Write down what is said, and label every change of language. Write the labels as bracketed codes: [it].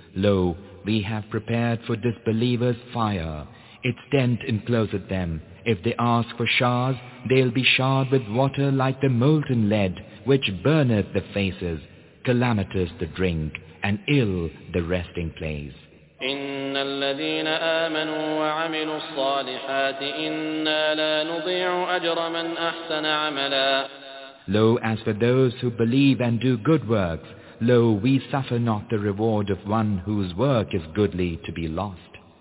[en] Lo, we have prepared for disbelievers fire. Its tent encloseth them. If they ask for showers, they'll be showered with water like the molten lead, which burneth the faces, calamitous the drink, and ill the resting place. [ar] إن الذين آمنوا وعملوا الصالحات إنا لا نضيع أجر من أحسن عملا. [en] Lo, as for those who believe and do good works, lo, we suffer not the reward of one whose work is goodly to be lost.